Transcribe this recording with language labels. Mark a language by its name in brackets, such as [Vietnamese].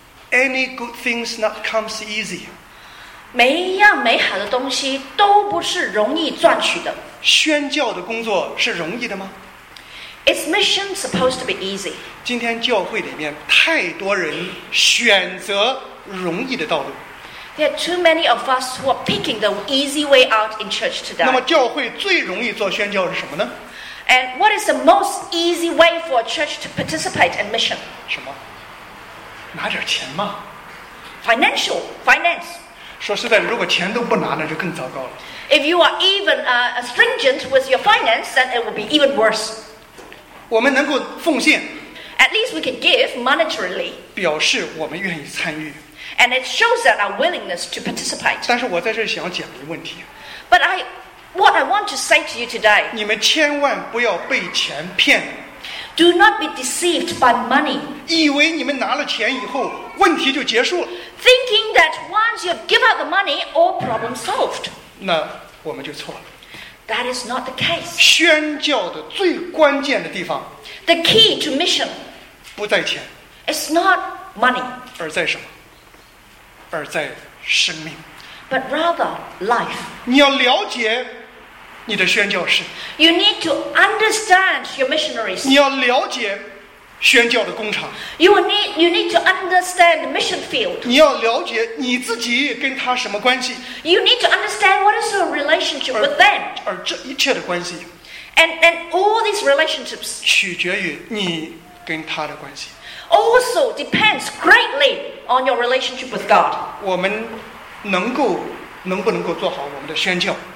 [English] Any good things not comes easy. [Chinese] 每一样美好的东西都不是容易赚取的。宣教的工作是容易的吗？ [English] Is mission supposed to be easy? [Chinese] 今天教会里面太多人选择容易的道路。 [English] There are too many of us who are picking the easy way out in church today. [Chinese] 那么教会最容易做宣教是什么呢？ [English] And what is the most easy way for a church to participate in mission? [Chinese] 什么？拿点钱嘛 [English] ，financial finance。 [Chinese] 说实在，如果钱都不拿，那就更糟糕了。 [English] If you are even stringent with your finance, then it will be even worse. [Chinese] 我们能够奉献 [English] ，at least we can give monetarily， [Chinese] 表示我们愿意参与 [English] ，and it shows that our willingness to participate. [Chinese] 但是我在这想讲一个问题 [English] ，but what I want to say to you today， [Chinese] 你们千万不要被钱骗。 [English] Do not be deceived by money. [Chinese] 以为你们拿了钱以后，问题就结束了。 [English] Thinking that once you have given out the money, all problems solved. [Chinese] 那我们就错了。 [English] That is not the case. [Chinese] 宣教的最关键的地方。 [English] The key to mission. [Chinese] 不在钱。 [English] It's not money. [Chinese] 而在什么？而在生命。 [English] But rather life. [Chinese] 你要了解。你的宣教士 [English] You need to understand your missionaries. [Chinese] 你要了解宣教的工厂 [English] You need to understand the mission field. [Chinese] 你要了解你自己跟他什么关系 [English] You need to understand what is your relationship with them. [Chinese] 而这一切的关系 [English] And all these relationships [Chinese] 取决于你跟他的关系 [English] Also depends greatly on your relationship with God. [Chinese] 我们能不能够做好我们的宣教